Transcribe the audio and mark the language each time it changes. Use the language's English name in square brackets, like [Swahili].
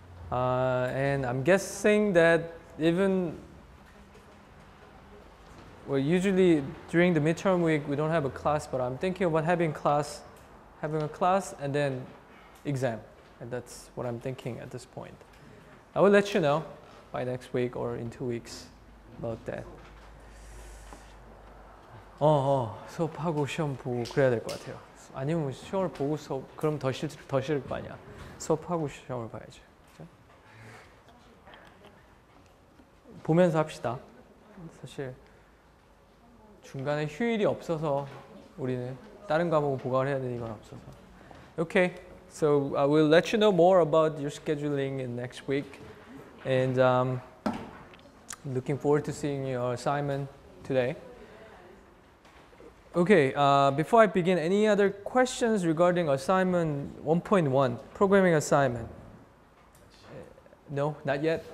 [English] And I'm guessing that usually during the midterm week, we don't have a class, but I'm thinking about having a class and then exam. And that's what I'm thinking at this point. I will let you know by next week or in 2 weeks about that. [Korean] 수업하고 시험 보고 그래야 될 것 같아요. 아니면 시험을 보고 수업, 그럼 더 싫을 거 아니야. 수업하고 시험을 봐야지. 그렇죠? 보면서 합시다. 사실 중간에 휴일이 없어서 우리는 다른 과목을 보강을 해야 되는 건 없어서. [English] Okay, so I will let you know more about your scheduling in next week. And looking forward to seeing your assignment today. Okay, before I begin, any other questions regarding assignment 1.1, programming assignment? No, not yet.